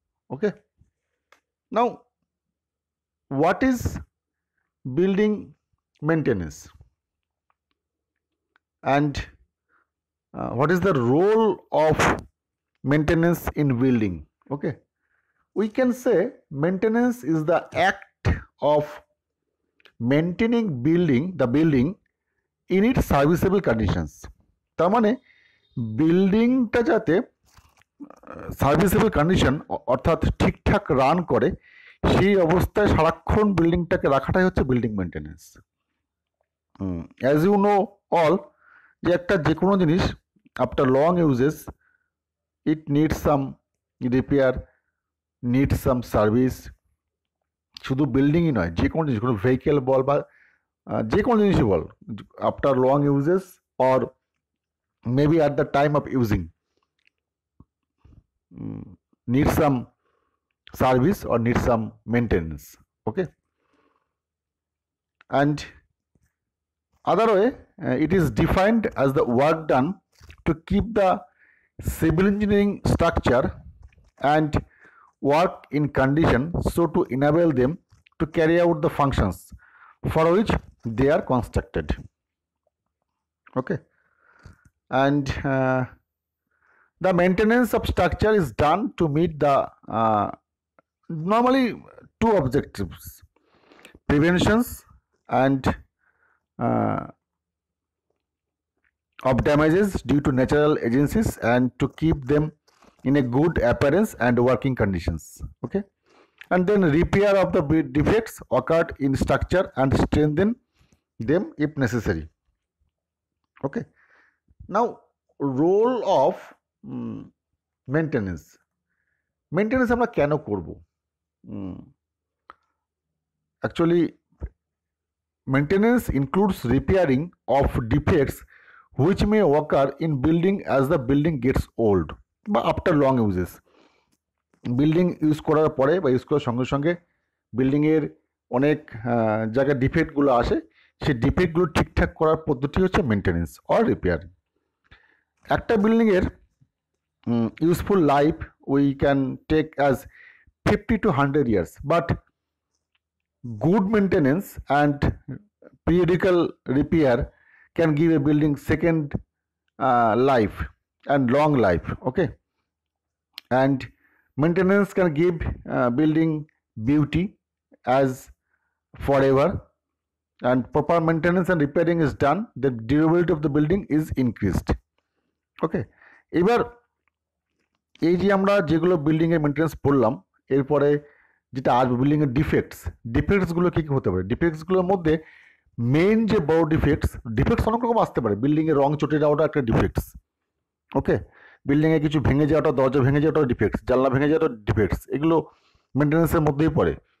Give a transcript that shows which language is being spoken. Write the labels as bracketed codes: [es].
[en] Okay, now what is building maintenance, and what is the role of maintenance in building? Okay, we can say maintenance is the act of maintaining the building in its serviceable conditions. [bn] Tar mane building ta jate serviceable condition অর্থাৎ ঠিকঠাক run করে সেই অবস্থায় সারাক্ষণ বিল্ডিংটাকে রাখাটাই হচ্ছে building maintenance. [en] as you know all [bn] যে একটা যে কোনো জিনিস [en] After long uses it needs some repair, needs some service. [bn] শুধু বিল্ডিংই নয়, যে কোনো জিনিস, কোনো ভেহিকেল বল বা যে কোনো জিনিসই বল, [en] After long uses or maybe at the time of using need some service or need some maintenance. Okay, and other way it is defined as the work done to keep the civil engineering structure and work in condition so to enable them to carry out the functions for which they are constructed. Okay, and the maintenance of structure is done to meet the normally two objectives, preventions and of damages due to natural agencies, and to keep them in a good appearance and working conditions. Okay, and then repair of the defects occurred in structure and strengthen them if necessary. Okay, now role of maintenance [bn] আমরা কেন করবো? [en] Actually maintenance includes repairing of defects which may occur in building as the building gets old বা after long uses. [bn] Building use করার পরে বা use করার সঙ্গে সঙ্গে বিল্ডিংয়ের অনেক জায়গায় ডিফেক্টগুলো আসে, সেই ডিফেক্টগুলো ঠিকঠাক করার পদ্ধতি হচ্ছে মেনটেনেন্স অর রিপেয়ারিং. একটা বিল্ডিংয়ের [en] useful life we can take as 50 to 100 years, but good maintenance and periodical repair can give a building second life and long life. Okay, and maintenance can give building beauty as forever, and proper maintenance and repairing is done, the durability of the building is increased. [bn] Okay, এবার এই যে আমরা যেগুলো বিল্ডিংয়ের maintenance পড়লাম, এরপরে যেটা আসবে বিল্ডিংয়ের ডিফেক্টস, ডিফেক্টসগুলো কী কী হতে পারে? ডিফেক্টসগুলোর মধ্যে মেইন যে বড় ডিফেক্টস, ডিফেক্টস অনেক রকম আসতে পারে। বিল্ডিংয়ে রং চটে যাওয়াটা একটা ডিফেক্টস, ওকে, বিল্ডিংয়ে কিছু ভেঙে যাওয়াটা, দরজা ভেঙে যাওয়াটা ডিফেক্টস, জানলা ভেঙে যাওয়াটা ডিফেক্টস, এগুলো মেনটেন্যান্সের মধ্যেই পড়ে।